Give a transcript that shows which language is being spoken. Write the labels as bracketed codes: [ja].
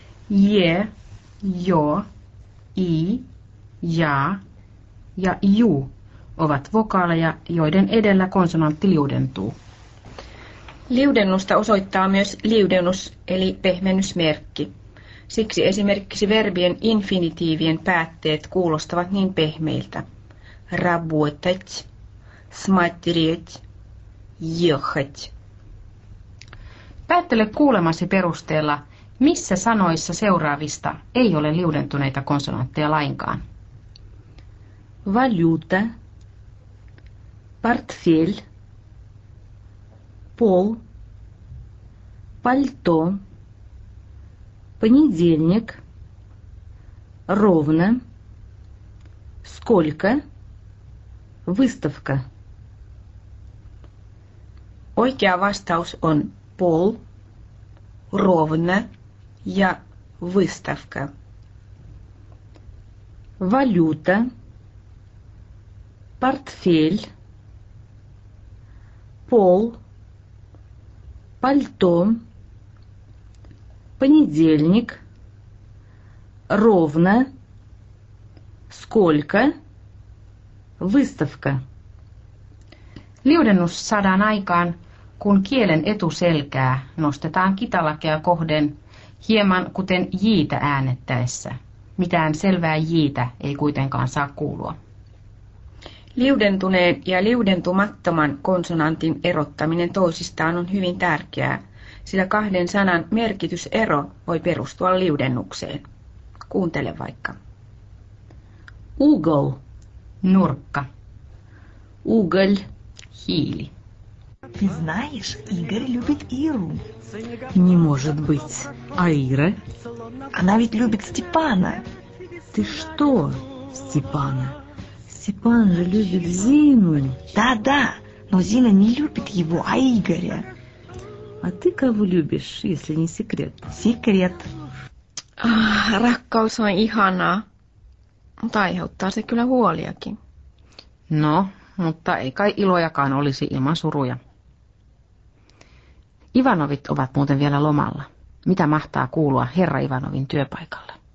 [fi] Je, jo, i, ja ju ovat vokaaleja, joiden edellä konsonantti liudentuu. Liudennusta osoittaa myös liudennus eli pehmennysmerkki. Siksi esimerkiksi verbien infinitiivien päätteet kuulostavat niin pehmeiltä. [ru] Работать, смотреть, ехать. [fi] Päättele kuulemasi perusteella, missä sanoissa seuraavista ei ole liudentuneita konsonantteja lainkaan. [ru] Валюта, портфель, пол, пальто, понедельник, ровно, сколько, выставка. [fi] Oikea vastaus on пол, ровно ja выставка. [ru] Валюта. Портфель, пол, пальто, понедельник, ровно, сколько, Выставка. [fi] Liudennus saadaan aikaan, kun kielen etuselkää nostetaan kitalakea kohden hieman kuten jiitä äänettäessä. Mitään selvää jiitä ei kuitenkaan saa kuulua. Liudentuneen ja liudentumattoman konsonantin erottaminen toisistaan on hyvin tärkeää, sillä kahden sanan merkitysero voi perustua liudennukseen. Kuuntele vaikka. [ru] Угол. [fi] Nurkka. [ru] Уголь. Хили. Ты знаешь, Игорь любит Иру. Не может быть. А Ира? Она ведь любит Степана. Ты что, Степана? Степан же любит Зину. Да-да, но Зина не любит его, а Игоря. А ты кого любишь, если не секрет? Секрет. [fi] Раккаус он ихана. Mutta aiheuttaa se kyllä huoliakin. No, mutta ei kai ilojakaan olisi ilman suruja. Ivanovit ovat muuten vielä lomalla. Mitä mahtaa kuulua herra Ivanovin työpaikalle?